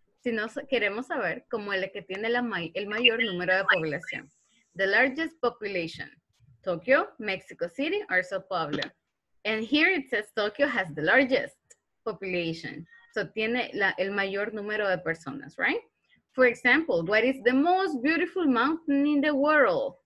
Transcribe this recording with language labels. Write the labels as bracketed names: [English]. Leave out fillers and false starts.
[Spanish] Sino queremos saber como la que tiene el mayor número de población. [English] The largest population. Tokyo, Mexico City, or Sao Paulo. And here it says Tokyo has the largest population. [Spanish] So tiene el mayor número de personas, right? [English] For example, what is the most beautiful mountain in the world?